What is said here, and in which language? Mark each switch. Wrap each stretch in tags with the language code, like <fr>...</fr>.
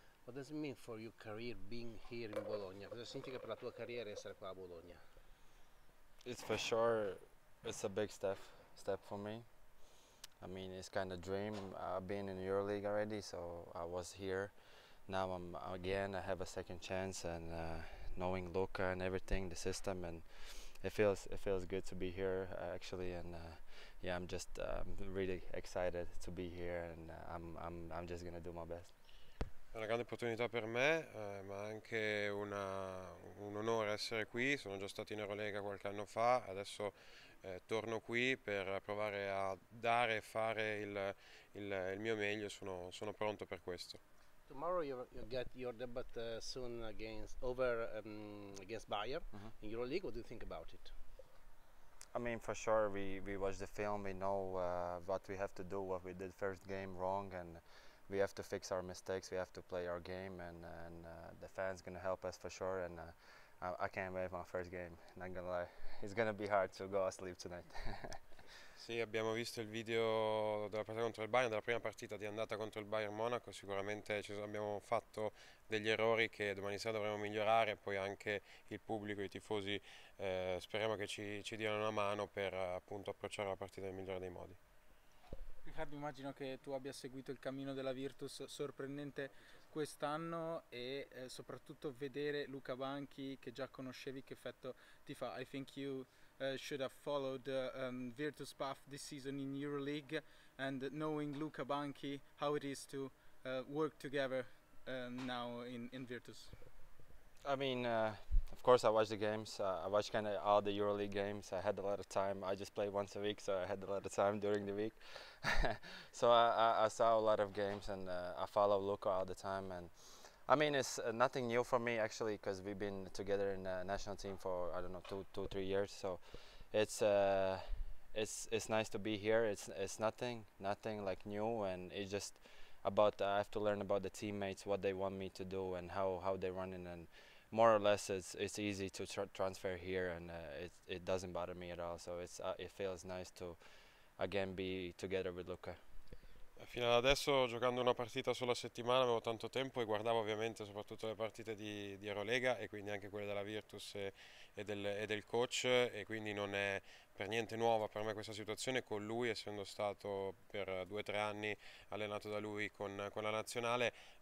<en>What does it mean for your career being here in Bologna?</en> <it>Cosa significa per la tua carriera essere qua a Bologna?</it> <en>It's for sure, it's a big step for me. I mean, it's kind of a dream. I've been in Euroleague already, so I was here. Now I'm again, I have a second chance, and knowing Luka and everything, the system, and it feels good to be here, actually. And yeah, I'm just really excited to be here, and I'm just gonna do my best.</en> <it>È una grande opportunità per me, ma anche un onore essere qui. Sono già stato in Eurolega qualche anno fa, adesso torno qui per provare a dare e fare il mio meglio. Sono pronto per questo.</it> <en>Tomorrow you get your debut soon against Bayer, mm-hmm, in Euroleague. What do you think about it? I mean, for sure we watch the film, we know what we have to do, what we did first game wrong, and we have to fix our mistakes, we have to play our game, and the fans gonna help us for sure, and I can't wait for my first game, not gonna lie. It's gonna be hard to go to sleep tonight.</en> <it>Sì, abbiamo visto il video della partita contro il Bayern, della prima partita di andata contro il Bayern Monaco. Sicuramente abbiamo fatto degli errori che domani sera dovremo migliorare, poi anche il pubblico, i tifosi, speriamo che ci diano una mano per appunto approcciare la partita nel migliore dei modi. Riccardo, immagino che tu abbia seguito il cammino della Virtus sorprendente quest'anno e soprattutto vedere Luca Banchi, che già conoscevi, che effetto ti fa?</it> <en>I think you should have followed Virtus path this season in Euroleague, and knowing Luca Banchi, how it is to work together now in Virtus? I mean, of course I watched the games, I watched kind of all the Euroleague games. I had a lot of time, I just play once a week, so I had a lot of time during the week. So I saw a lot of games, and I follow Luka all the time, and I mean, it's nothing new for me actually, because we've been together in the national team for, I don't know, two, three years, so it's nice to be here. It's nothing like new, and it's just about, I have to learn about the teammates, what they want me to do, and how they're running, and more or less it's easy to transfer here, and it doesn't bother me at all, so it feels nice to again be together with Luca.</en> <it>Fino ad adesso, giocando una partita sulla settimana, avevo tanto tempo e guardavo ovviamente soprattutto le partite di Eurolega, e quindi anche quelle della Virtus e del coach, e quindi non è per niente nuova per me questa situazione con lui, essendo stato per 2-3 anni allenato da lui con la nazionale.</it>